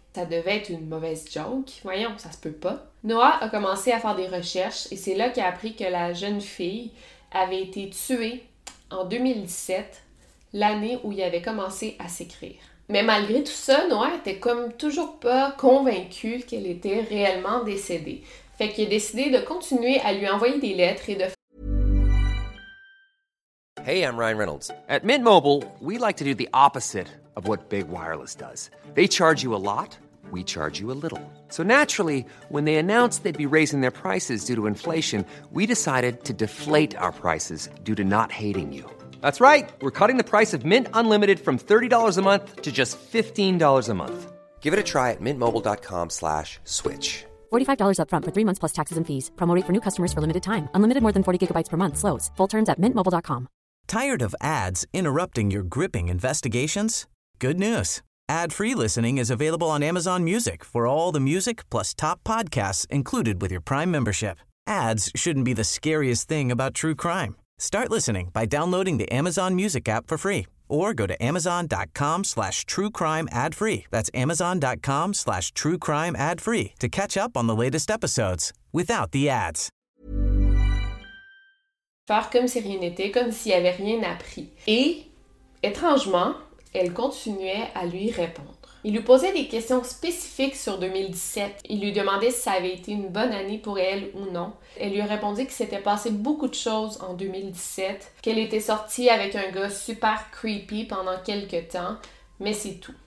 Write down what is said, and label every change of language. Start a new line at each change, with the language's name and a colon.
French: Ça devait être une mauvaise joke. Voyons, ça se peut pas. Noah a commencé à faire des recherches et c'est là qu'il a appris que la jeune fille avait été tuée en 2017, l'année où il avait commencé à s'écrire. Mais malgré tout ça, Noah était comme toujours pas convaincu qu'elle était réellement décédée. Fait qu'il a décidé de continuer à lui envoyer des lettres et de
English: Hey, I'm Ryan Reynolds. At Mint Mobile, we like to do the opposite of what Big Wireless does. They charge you a lot, we charge you a little. So naturally, when they announced they'd be raising their prices due to inflation, we decided to deflate our prices due to not hating you. That's right. We're cutting the price of Mint Unlimited from $30 a month to just $15 a month. Give it a try at mintmobile.com/switch. $45 up front for 3 months plus taxes and fees. Promo rate for new customers for limited time. Unlimited more than 40 gigabytes per month slows. Full terms at mintmobile.com. Tired of ads interrupting your gripping investigations? Good news. Ad-free listening is available on Amazon Music for all the music plus top podcasts included with your Prime membership. Ads shouldn't be the scariest thing about true crime. Start listening by downloading the Amazon Music app for free or go to amazon.com/truecrimeadfree. That's amazon.com/truecrimeadfree to catch up on the latest episodes without the ads.
French: Faire comme si rien n'était, comme s'il n'y avait rien appris. Et, étrangement, elle continuait à lui répondre. Il lui posait des questions spécifiques sur 2017. Il lui demandait si ça avait été une bonne année pour elle ou non. Elle lui répondit que s'était passé beaucoup de choses en 2017, qu'elle était sortie avec un gars super creepy pendant quelques temps, mais c'est tout.